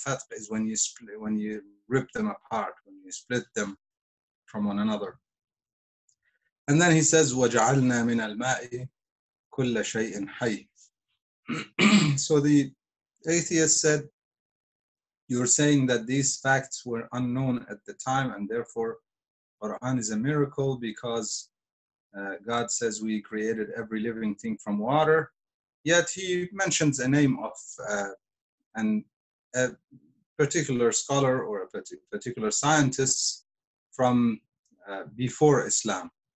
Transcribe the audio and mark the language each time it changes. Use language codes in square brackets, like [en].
[en] Fatq is when you rip them apart, when you split them from one another. And then he says, [ar] وَجَعَلْنَا مِنَ الْمَاءِ كُلَّ شَيْءٍ حَيٍّ. [en] So the atheist said, you're saying that these facts were unknown at the time, and therefore Quran is a miracle, because God says we created every living thing from water. Yet he mentions a name of a particular scholar or a particular scientist from before Islam.